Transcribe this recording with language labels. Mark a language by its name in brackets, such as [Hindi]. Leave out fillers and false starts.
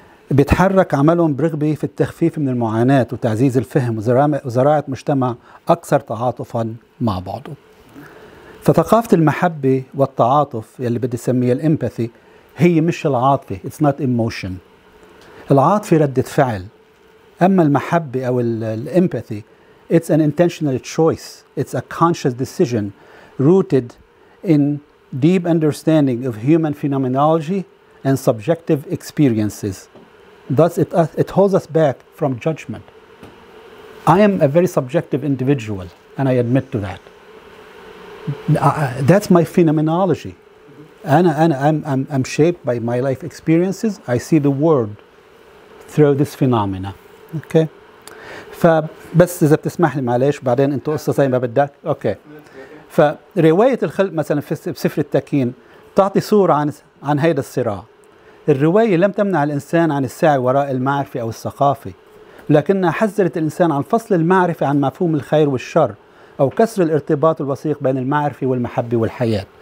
[Arabic] بيتحرك عملهم برغبة في التخفيف من المعاناة وتعزيز الفهم وزراعة مجتمع أكثر تعاطفا مع بعضه. فثقافة المحبة والتعاطف يلي بدي سميها الامباثي هي مش العاطفة، [English] it's not emotion. [Arabic] العاطفة ردة فعل، أما المحبة أو الامباثي [English] it's an intentional choice. It's a conscious decision rooted in deep understanding of human phenomenology and subjective experiences. Thus, it holds us back from judgment. I am a very subjective individual, and I admit to that. That's my phenomenology. I'm shaped by my life experiences. I see the world through this phenomena. Okay. [Arabic] فبس إذا بتسمح لي معلش بعدين أنتوا قصة زي ما بدك. أوكي. فرواية الخلق مثلا في سفر التكين تعطي صورة عن هيدا الصراع. الرواية لم تمنع الإنسان عن السعي وراء المعرفة أو الثقافة، لكنها حذرت الإنسان عن فصل المعرفة عن مفهوم الخير والشر أو كسر الارتباط الوثيق بين المعرفة والمحبة والحياة.